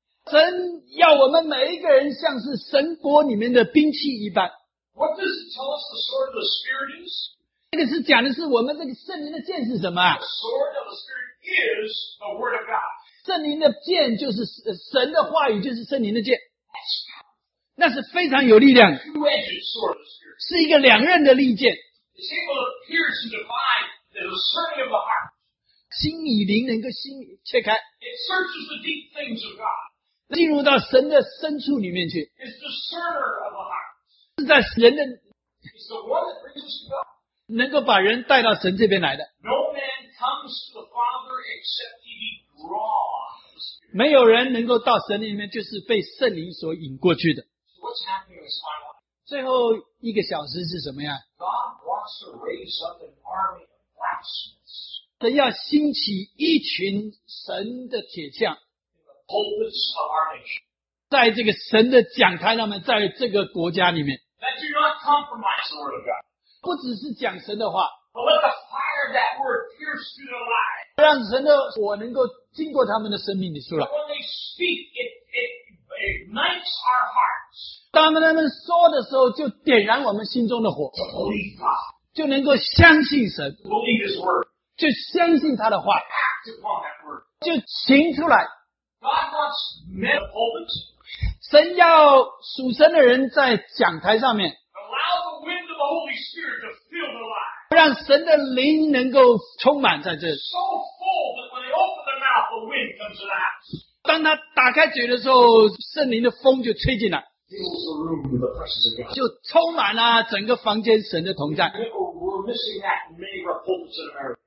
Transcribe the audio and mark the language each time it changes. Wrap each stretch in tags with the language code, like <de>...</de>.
<zh>神要我们每一个人像是神国里面的兵器一般。</zh> <en>What does it tell us the sword of the Spirit is?</en> <zh>那个是讲的是我们这个圣灵的剑是什么啊?</zh> <en>The sword of the Spirit is the word of God.</en> <zh>圣灵的剑就是神的话语就是圣灵的剑。那是非常有力量的。</zh> <en>Two-edged sword of the Spirit.</en> <zh>是一个两刃的利剑。</zh> <en>It's able to pierce and divide the discerning of the heart.</en> <zh>心与灵能够心切开。</zh> <en>It searches the deep things of God.</en> <zh>进入到神的深处里面去,</zh> <en>it's the center of the heart.</en> <zh>是在人的,</zh> <en>it's the one that brings us to God.</en> <zh>能够把人带到神这边来的,</zh> <en>no man comes to the Father except he be drawn.</en> <zh>没有人能够到神里面, 就是被圣灵所引过去的。</zh> <en>So what's happening in this final hour?</en> <zh>最后一个小时是什么呀?</zh> <en>God wants to raise up an army of blacksmiths.</en> <zh>神要兴起一群神的铁匠,</zh> <en>pulpits of our nation.</en> <zh>在这个神的讲台上面, 在这个国家里面,</zh> <en>that do not compromise the word of God.</en> <zh>不只是讲神的话,</zh> <en>but let the fire of that word pierce through the lie.</en> <zh>让神的火能够经过他们的生命里出来。</zh> <en>When they speak, it ignites our hearts.</en> <zh>当他们说的时候, 就点燃我们心中的火,</zh> <en>to believe God.</en> <zh>就能够相信神,</zh> <en>to believe his word.</en> <zh>就相信他的话,</zh> <en>to act upon that word.</en> <zh>就行出来。</zh> <en>God wants men of pulpits.</en> <zh>神要属神的人在讲台上面,</zh> <en>allow the wind of the Holy Spirit to fill their</en> <zh>让神的灵能够充满在这里。</zh> <en>So full that when they open their mouth, the wind comes to the house.</en> <zh>当他打开嘴的时候，圣灵的风就吹进来。</zh> <en>Fills the room with the presence of God.</en> <zh>就充满了整个房间神的同在。</zh> <en>We're missing that in many reports in America.</en>